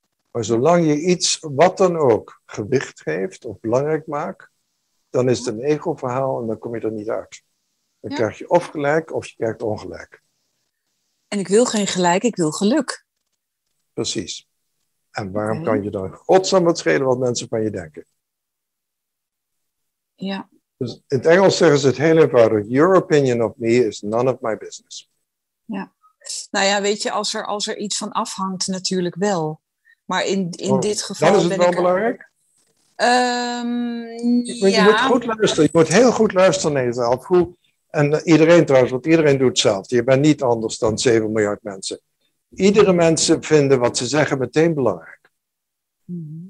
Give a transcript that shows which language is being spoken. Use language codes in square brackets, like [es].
[nl] Maar zolang je iets, wat dan ook, gewicht geeft of belangrijk maakt, dan is het een ego-verhaal en dan kom je er niet uit. Dan krijg je of gelijk of je krijgt ongelijk. En ik wil geen gelijk, ik wil geluk. Precies. En waarom kan je dan godsnaam wat schelen wat mensen van je denken? Ja. Dus in het Engels zeggen ze het heel eenvoudig. [en] Your opinion of me is none of my business. [nl] Ja. Nou ja, weet je, als er iets van afhangt natuurlijk wel. Maar in dit geval... Dan is het wel belangrijk. Ja. Je moet goed luisteren. Je moet heel goed luisteren naar jezelf. En iedereen trouwens, want iedereen doet hetzelfde. Je bent niet anders dan 7 miljard mensen. Iedere mensen vinden wat ze zeggen meteen belangrijk. Mm-hmm.